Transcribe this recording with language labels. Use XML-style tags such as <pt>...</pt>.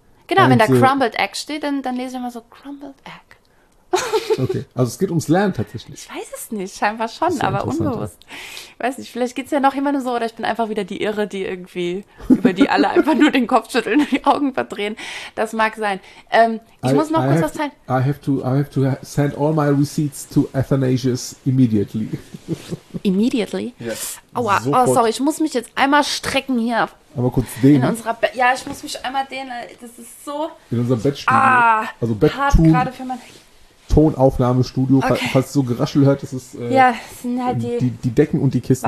<de>Genau, wenn da Crumbled Egg steht, dann lese ich immer so Crumbled Egg. Okay, also es geht ums Lernen tatsächlich. Ich weiß es nicht, scheinbar schon, aber unbewusst. Ja. weiß nicht, vielleicht geht es ja noch jemandem so, oder ich bin einfach wieder die Irre, die irgendwie, über die alle einfach nur den Kopf schütteln und die Augen verdrehen. Das mag sein. Ich muss noch kurz was zeigen.</de> <en>I have to send all my receipts to Athanasius immediately. Immediately? Yes.</en> <de>Aua, oh, sorry, ich muss mich jetzt einmal strecken hier. Aber kurz dehnen. Ja, ich muss mich einmal dehnen, das ist so. In unserem Bettstudio. Ah, also Bettstudio. Gerade für mein Tonaufnahmestudio, okay. Falls du so Geraschel hört, das ist ja, das sind halt die Decken und die Kissen.</de>